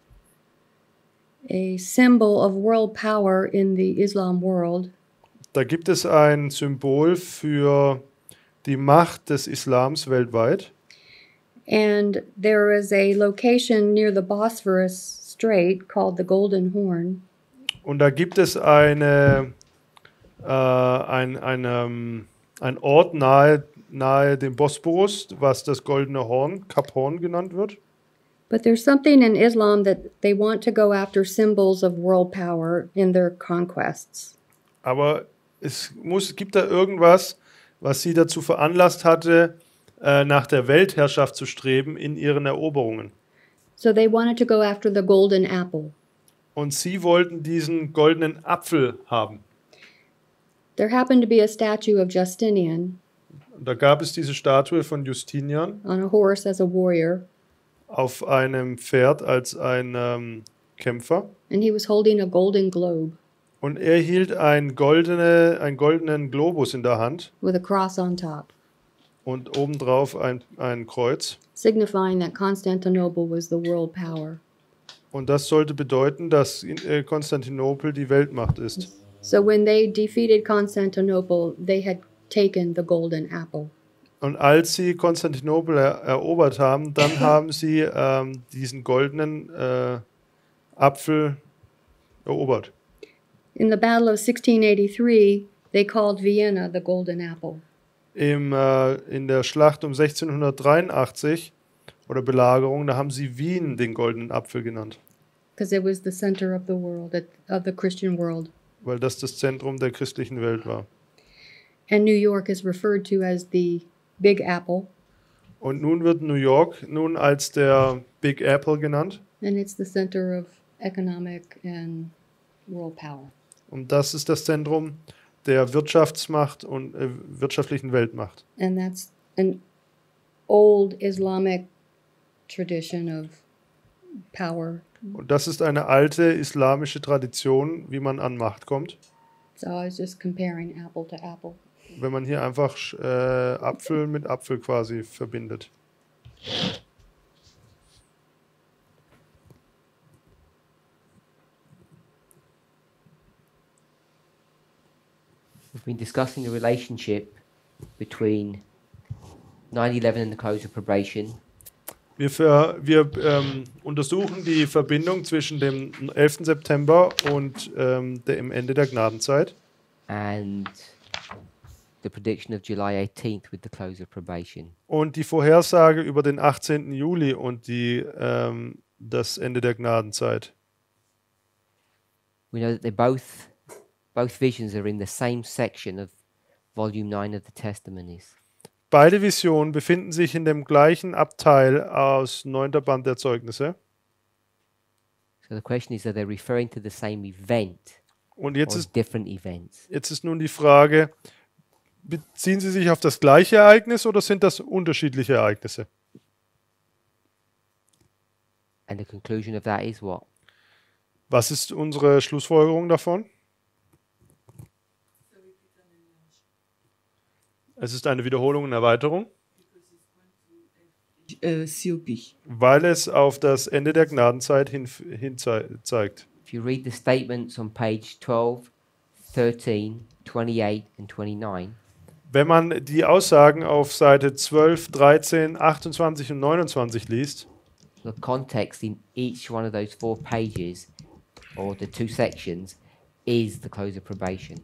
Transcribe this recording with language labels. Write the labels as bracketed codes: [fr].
[en] There is a symbol of world power in the Islam world. [de] Da gibt es ein Symbol für die Macht des Islams weltweit. [en] And there is a location near the Bosphorus Strait called the Golden Horn. [de] Und da gibt es ein Ort nahe dem Bosporus, was das Goldene Horn, Kap Horn genannt wird. [en] But there's something in Islam that they want to go after symbols of world power in their conquests. [de] Aber gibt da irgendwas, was sie dazu veranlasst hatte, nach der Weltherrschaft zu streben in ihren Eroberungen. [en] So they wanted to go after the golden apple. [de] Und sie wollten diesen goldenen Apfel haben. [en] There happened to be a statue of Justinian. [de] Da gab es diese Statue von Justinian. [en] On a horse as a warrior. [de] Auf einem Pferd als ein Kämpfer. [en] And he was holding a golden globe. [de] Und er hielt einen goldenen Globus in der Hand. [en] With a cross on top. [de] Und obendrauf ein Kreuz. [en] Signifying that Constantinople was the world power. [de] Und das sollte bedeuten, dass Konstantinopel die Weltmacht ist. [en] So when they defeated Constantinople, they had taken the golden apple. [de] Und als sie Konstantinopel erobert haben, dann haben sie diesen goldenen Apfel erobert. [en] In the Battle of 1683, they called Vienna the Golden Apple. [de] In der Schlacht um 1683 oder Belagerung, da haben sie Wien den goldenen Apfel genannt. [en] Because it was the center of the world, of the Christian world. [de] Weil das das Zentrum der christlichen Welt war. [en] And New York is referred to as the Big Apple. [de] Und nun wird New York nun als der Big Apple genannt. [en] And it's the center of economic and world power. [de] Und das ist das Zentrum der Wirtschaftsmacht und wirtschaftlichen Weltmacht. [en] And that's an old Islamic tradition of power. [de] Und das ist eine alte islamische Tradition, wie man an Macht kommt. [en] So I was just comparing apple to apple. [de] Wenn man hier einfach Apfel mit Apfel quasi verbindet. [en] We've been discussing the relationship between 9/11 and the close of probation. [de] Wir untersuchen die Verbindung zwischen dem 11. September und dem Ende der Gnadenzeit. [en] And the prediction of July 18th with the close of probation. [de] Und die Vorhersage über den 18. Juli und die das Ende der Gnadenzeit. [en] We know that they both visions are in the same section of volume 9 of the testimonies. [de] Beide Visionen befinden sich in dem gleichen Abteil aus 9. Band der Zeugnisse. [en] So the question is, are they referring to the same event? [de] Und jetzt ist [en] different events. [de] Jetzt ist nun die Frage, beziehen Sie sich auf das gleiche Ereignis oder sind das unterschiedliche Ereignisse? [en] And the conclusion of that is what? [de] Was ist unsere Schlussfolgerung davon? Es ist eine Wiederholung und Erweiterung. [en] COP. [de] Weil es auf das Ende der Gnadenzeit hin zeigt. [en] If you read the statements on page 12, 13, 28 and 29. [de] Wenn man die Aussagen auf Seite 12, 13, 28 und 29 liest, [en] the context in each one of those four pages or the two sections is the close of probation.